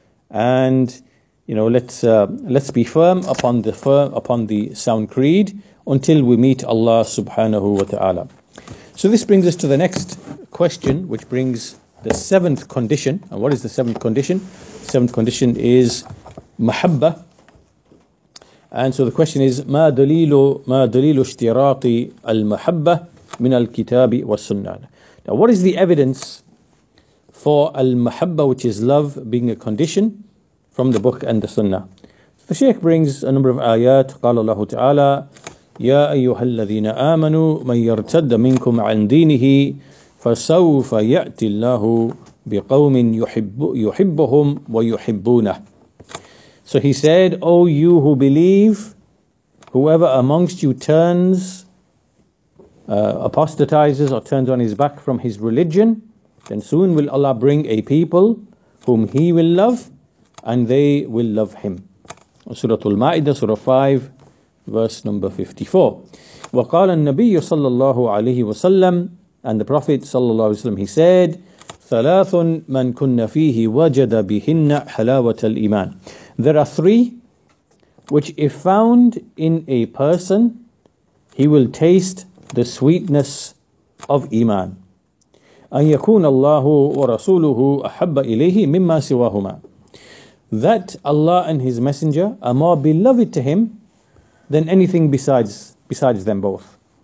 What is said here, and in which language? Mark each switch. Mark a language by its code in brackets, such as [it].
[en] And you know, let's be firm upon the sound creed until we meet Allah subhanahu wa ta'ala. So this brings us to the next question, which brings the seventh condition. And what is the seventh condition? Seventh condition is mahabba. And so the question is, [ar] ما دليل اشتراط المحبة من الكتاب والسنة. [en] Now, what is the evidence for المحبة, which is love, being a condition from the book and the sunnah? So the Shaykh brings a number of ayat. [ar] قال الله تعالى, يا أيها الذين آمنوا من يرتد منكم عن دينه فسوف يأتي الله بقوم يحبهم ويحبونه. [en] So he said, O you who believe, whoever amongst you apostatizes or turns on his back from his religion, then soon will Allah bring a people whom he will love and they will love him. Surah Al-Ma'idah, Surah 5, verse number 54. [ar] وَقَالَ النَّبِيُّ صَلَّى اللَّهُ عَلَيْهِ وَسَلَّمُ. [en] And the Prophet [ar] صلى الله عليه وسلم, [en] he said, [ar] ثَلَاثٌ مَنْ كُنَّ فِيهِ وَجَدَ بِهِنَّ حَلَاوَةَ الْإِيمَانِ. [en] There are three which, if found in a person, he will taste the sweetness of iman. [ar] أَنْ يَكُونَ اللَّهُ وَرَسُولُهُ أَحَبَّ إِلَيْهِ مِمَّا سِوَاهُمَا. [en] That Allah and His Messenger are more beloved to him than anything besides them both.